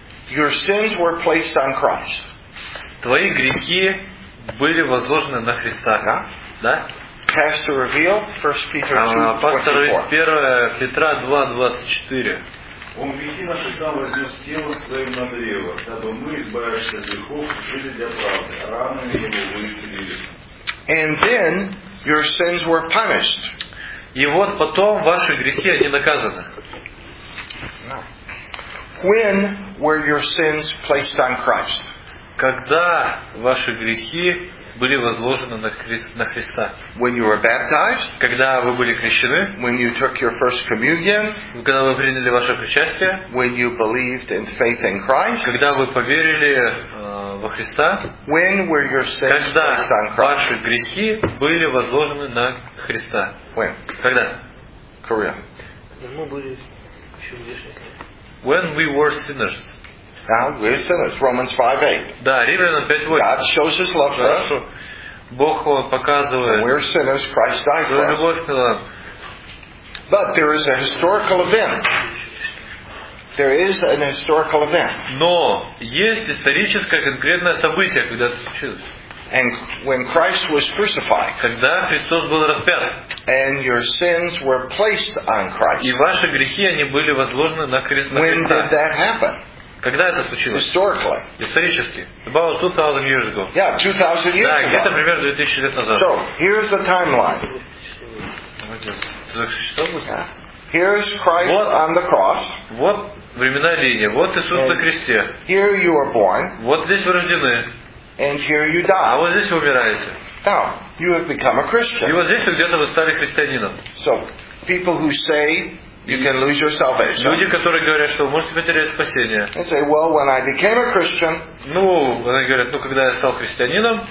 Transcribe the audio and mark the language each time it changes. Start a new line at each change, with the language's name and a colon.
English: Your sins were placed on Christ.
Russian: Твои грехи были возложены на Христа. Да?
English: Pastor reveal 1 Peter 2:24.
Russian: Он грехи наши сам вознес тело своим на древо, дабы мы, избавившись от грехов, жили для правды. Ранами его вы исцелились.
English: And then your sins were punished.
Russian: И вот потом ваши грехи они наказаны.
English: When were your sins placed on Christ?
Russian: Когда ваши грехи были возложены на Христа?
English: When you were baptized?
Russian: Когда вы были крещены?
English: When you took your first communion?
Russian: Когда вы приняли ваше причастие?
English: When you believed in faith in Christ?
Russian: Когда вы поверили во Христа?
English: When were your sins placed on Christ?
Russian: Когда ваши грехи были возложены на Христа?
English: When?
Russian: Когда?
English: Korea.
Russian: Мы были еще грешниками.
English: When we were sinners. Now we're sinners. Romans 5:8.
Russian: Да, Римлянам 5:8.
English: God shows His love for us.
Russian: Бог показывает.
English: When we're sinners, Christ died for us. But there is a historical event. There is an historical event.
Russian: Но есть историческое конкретное событие, когда это случилось.
English: And when Christ was crucified,
Russian: когда Христос был распят,
English: and your sins were placed on Christ,
Russian: и ваши грехи они были возложены на Христа.
English: When did that happen?
Russian: Когда это случилось?
English: Historically.
Russian: Исторически.
English: About 2,000 years ago. Yeah, 2,000 years ago.
Russian: Да, где-то примерно 2000 лет назад.
English: So here's the timeline. Here's Christ
Russian: вот,
English: on the cross.
Russian: Вот времена линии. Вот Иисус на кресте.
English: Here you are born.
Russian: Вот здесь вы рождены.
English: And here you die.
Russian: А вот здесь вы умираете.
English: Now you have become a Christian.
Russian: И вот здесь вы где-то вы стали христианином.
English: So people who say you can lose your salvation.
Russian: Люди, которые говорят, что вы можете потерять спасение.
English: They say, well, when I became a Christian.
Russian: Ну, они говорят, ну когда я стал христианином.